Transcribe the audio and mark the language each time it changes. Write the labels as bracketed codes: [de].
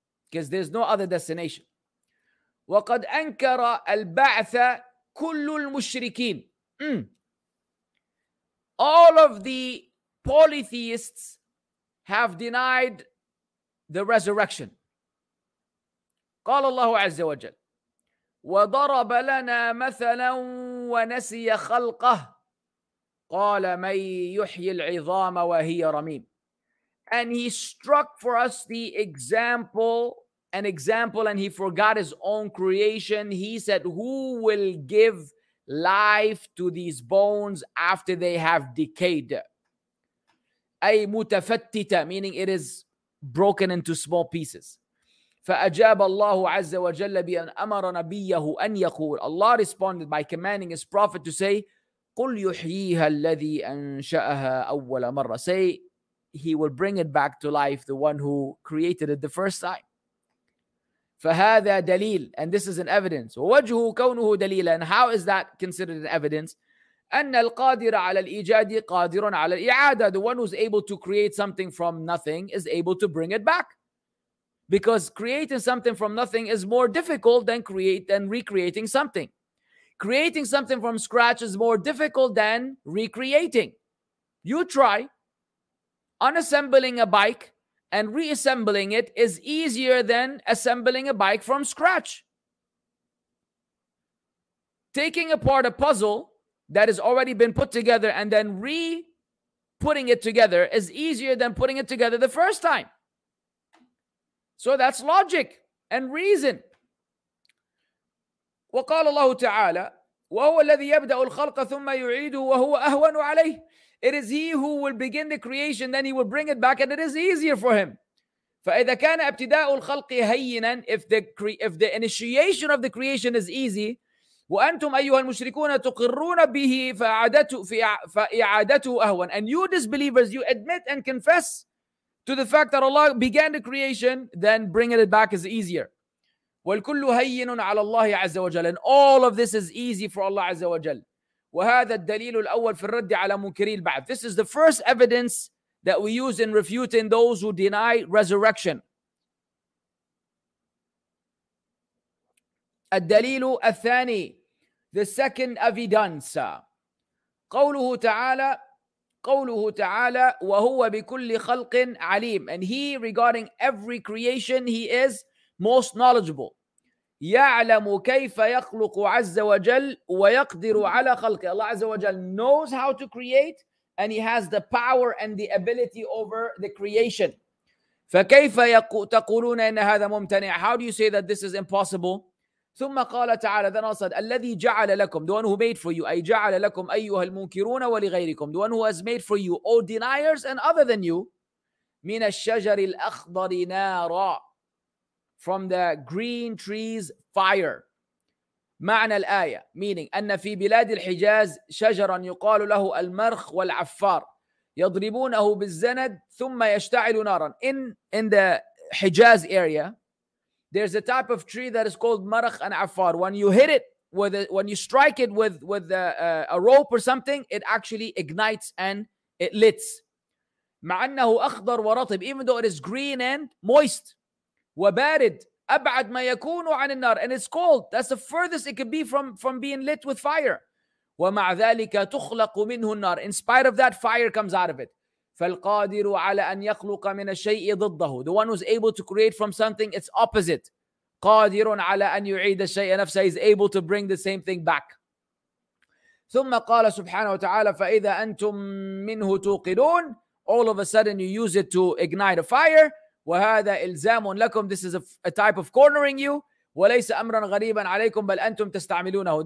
[en] Because there's no other destination. [ar] وَقَدْ أَنْكَرَ الْبَعْثَ كُلُّ الْمُشْرِكِينَ. [en] All of the polytheists have denied the resurrection. [ar] قال الله عز وجل وضرب لنا مثلا ونسي خلقه قال من يحيي العظام وهي رميم. [en] And he struck for us the example, an example, and he forgot his own creation. He said, who will give life to these bones after they have decayed? [ar] أي متفتتة, [en] meaning it is broken into small pieces. [ar] فأجاب الله عز وجل بأن أمر نبيه أن يقول. [en] Allah responded by commanding his prophet to say, [ar] قل يحييها الذي أنشأها أول مرة. [en] Say, he will bring it back to life, the one who created it the first time. [ar] فهذا دليل. [en] And this is an evidence. [ar] ووجه كونه دليلا. [en] And how is that considered an evidence? [ar] أن القادر على الإيجاد قادر على الإعادة. [en] The one who's able to create something from nothing is able to bring it back. Because creating something from nothing is more difficult than recreating something. Creating something from scratch is more difficult than recreating. You try. Unassembling a bike and reassembling it is easier than assembling a bike from scratch. Taking apart a puzzle that has already been put together and then re-putting it together is easier than putting it together the first time. So that's logic and reason. [ar] وَقَالَ اللَّهُ تَعَالَى وَهُوَ الَّذِي يَبْدَأُ الْخَلْقَ ثُمَّ يُعِيدُهُ وَهُوَ أَهْوَنُ عَلَيْهِ. [en] It is he who will begin the creation, then he will bring it back, and it is easier for him. [ar] فَإِذَا كَانَ أَبْتِدَاءُ الْخَلْقِ هَيِّنًا. [en] If the initiation of the creation is easy, [ar] وأنتم أيها المشركون تقرون به فإعادته أهون. [en] And you disbelievers, you admit and confess to the fact that Allah began the creation, then bringing it back is easier. [ar] والكل هين على الله عز وجل. [en] And all of this is easy for Allah عز وجل. [ar] وهذا الدليل الأول في الرد على منكري البعث. [en] This is the first evidence that we use in refuting those who deny resurrection. [ar] الدليل الثاني, [en] the second evidence, [ar] قوله تعالى وهو بكل خلق عليم. [en] And he, regarding every creation, he is most knowledgeable. [ar] يعلم كيف يخلق عز وجل ويقدر على خلقه. [en] Allah عز وجل knows how to create, and he has the power and the ability over the creation. [ar] فكيف تقولون إن هذا ممتنع. [en] How do you say that this is impossible? [ar] ثم قال تعالى, [en] then Allah said, [ar] الذي جعل لكم, [en] the one who made for you, [ar] أي جعل لكم أيها المنكرون ولغيركم, [en] the one who has made for you, all deniers and other than you, [ar] من الشجر الأخضر نارا, [en] from the green trees fire. [ar] معنى الآية, meaning أن في بلاد الحجاز شجرا يقال له المرخ والعفار, يضربونه بالزند ثم يشتعل نارا. [en] In the Hijaz area, there's a type of tree that is called marakh and afar. When you hit it, when you strike it with a rope or something, it actually ignites and it lits. [ar] معنه أخضر ورطب, [en] even though it is green and moist. [ar] وبارد أبعد ما يكون عن النار. [en] And it's cold. That's the furthest it could be from being lit with fire. [ar] ومع ذلك تخلق منه النار. [en] In spite of that, fire comes out of it. [ar] فالقادر على أن يخلق من الشيء ضده. [en] The one who's able to create from something, it's opposite. [ar] قادر على أن يعيد الشيء نفسه. [en] He's able to bring the same thing back. [ar] ثم قال سبحانه وتعالى فإذا أنتم منه توقدون. [en] All of a sudden you use it to ignite a fire. [ar] وهذا إلزام لكم. [en] This is a type of cornering you. [ar] وليس أمرا غريبا عليكم بل أنتم تستعملونه.